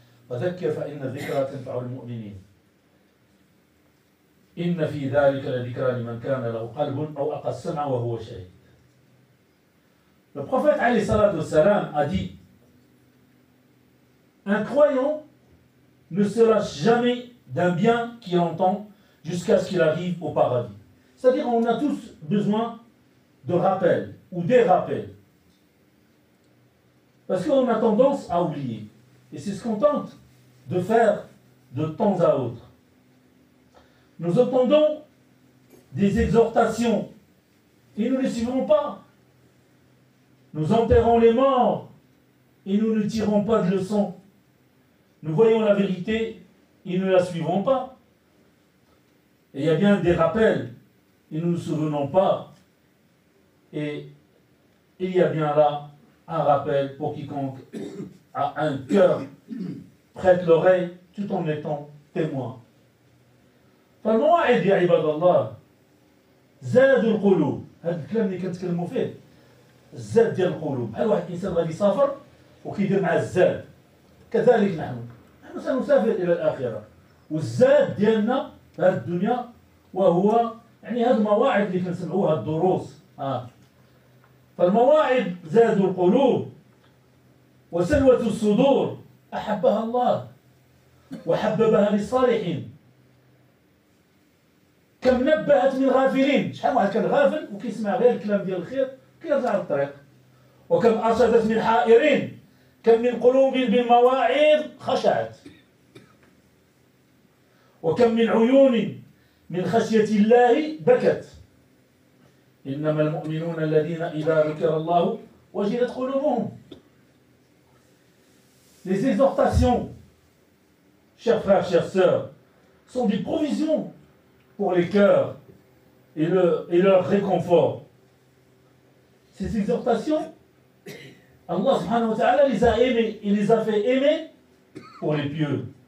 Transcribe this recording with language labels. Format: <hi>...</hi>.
<ar>فذكر فإن الذكرى تنفع المؤمنين. إن في ذلك لذكرى لمن كان له قلب أو ألقى السمع وهو شهيد.</ar> <fr>Le prophète alayhi salatu salam a dit: un croyant ne se lasse jamais d'un bien qu'il entend jusqu'à ce qu'il arrive au paradis. C'est-à-dire qu'on a tous besoin de rappels ou des rappels. Parce qu'on a tendance à oublier. Et c'est ce qu'on tente de faire de temps à autre. Nous entendons des exhortations et nous ne les suivons pas. Nous enterrons les morts et nous ne tirons pas de leçons. Nous voyons la vérité et ne la suivons pas. Et il y a bien des rappels et nous ne nous souvenons pas. Et il y a bien là un rappel pour quiconque a un cœur, prête l'oreille tout en étant témoin.</fr> <ar>فالمواعد يا عباد الله زاد القلوب. هذا الكلام اللي كنتكلموا فيه. الزاد ديال القلوب، بحال واحد الانسان غادي يسافر وكيدير مع الزاد، كذلك نحن سنسافر الى الاخره، والزاد ديالنا في هذه الدنيا وهو يعني هذه المواعظ اللي كنسمعوها الدروس فالمواعظ زاد القلوب وسلوة الصدور احبها الله وحببها للصالحين. كم نبهت من غافلين، شحال واحد كان غافل وكيسمع غير الكلام ديال الخير كيرجع للطريق. وكم أرشدت من حائرين، كم من قلوب بالمواعظ خشعت، وكم من عيون من خشية الله بكت إنما المؤمنون الذين إذا ذكر الله وجلت قلوبهم.</ar> <fr>Les exhortations, chers frères, chères sœurs, sont des provisions pour les cœurs et leur réconfort. Ces exhortations, Allah subhanahu wa ta'ala les a aimées et les a fait aimer pour les pieux.</fr>